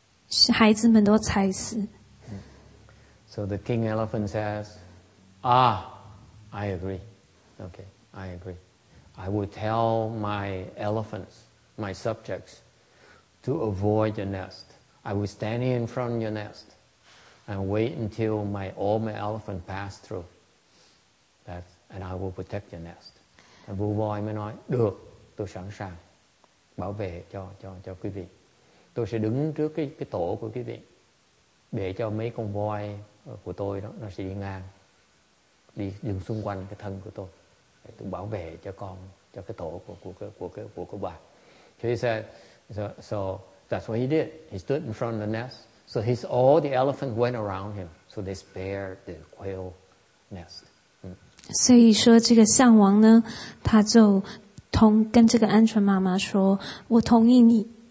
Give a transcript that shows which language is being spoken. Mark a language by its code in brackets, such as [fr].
[en] So the king elephant says, "Ah, I agree. Okay, I agree. I will tell my elephants, my subjects, to avoid your nest. I will stand in front of your nest and wait until all my elephant pass through. That's, and I will protect your nest." [vi] And vua voi mới nói, "Được, tôi sẵn sàng bảo vệ cho quý vị." Tôi sẽ đứng trước cái tổ của quý vị để cho mấy con voi của tôi đó, nó sẽ đi ngang, đi đường xung quanh cái thân của tôi. Để tôi bảo vệ cho con, cho cái tổ của bà. [en] So he said, so that's what he did. He stood in front of the nest. So his all the elephants went around him. So they spared the quail nest. [zh] 所以说这个象王呢，他就跟这个鹌鹑妈妈说，我同意你。